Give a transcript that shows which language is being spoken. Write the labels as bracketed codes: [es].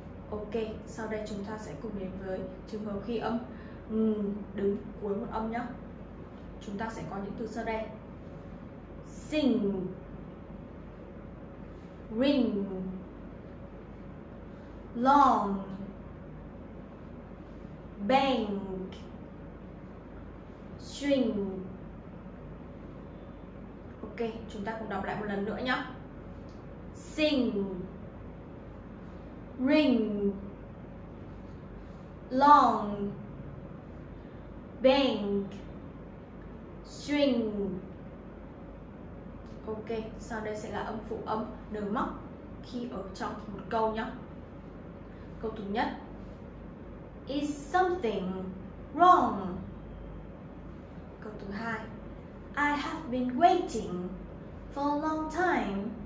[vi] Ok, sau đây chúng ta sẽ cùng đến với trường hợp khi âm đứng cuối một âm nhé. Chúng ta sẽ có những từ sau đây. [en] Sing, ring, long, bang, string. [vi] Ok, chúng ta cùng đọc lại một lần nữa nhé. [en] Sing, ring, long, bang, string. [vi] Ok, sau đây sẽ là âm phụ âm N mắc khi ở trong một câu nhé. Câu thứ nhất. [en] Is something wrong? [vi] Câu thứ hai, [en] I have been waiting for a long time.